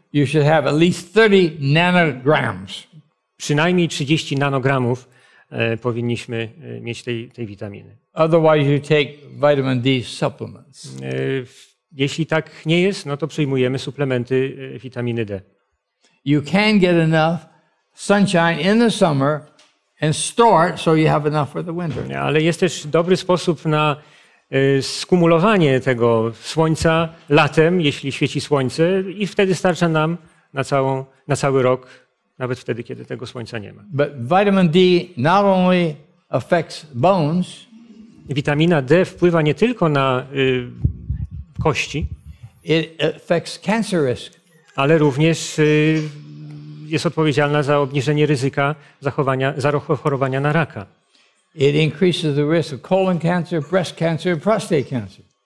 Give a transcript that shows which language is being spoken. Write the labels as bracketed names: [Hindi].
[English] You should have at least 30 nanograms. [Polish] Przynajmniej 30 nanogramów powinniśmy mieć tej witaminy. [English] Otherwise you take vitamin D supplements. [Polish] Jeśli tak nie jest, no to przyjmujemy suplementy witaminy D. [English] You can get enough sunshine in the summer and store it so you have enough for the winter. [Polish] Ale jest też dobry sposób na skumulowanie tego słońca latem, jeśli świeci słońce, i wtedy starcza nam na cały rok, nawet wtedy, kiedy tego słońca nie ma. [English] But vitamin D not only affects bones. [Polish] Witamina D wpływa nie tylko na kości. [English] It affects cancer risk. [Polish] Ale również jest odpowiedzialna za obniżenie ryzyka zachorowania na raka. [English] It increases the risk of colon cancer, breast cancer, prostate cancer.